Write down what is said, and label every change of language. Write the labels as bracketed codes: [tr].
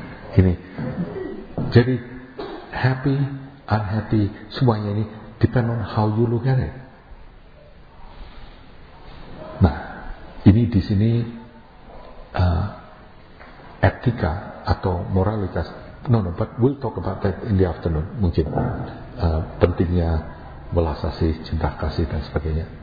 [id] Ini, jadi [en] happy, unhappy, [id] semuanya ini [en] depend on how you look at it. [id] Nah, ini di sini etika atau moralitas. [en] No, but we'll talk about that in the afternoon. [id] Mungkin pentingnya belas kasih, cinta kasih dan sebagainya.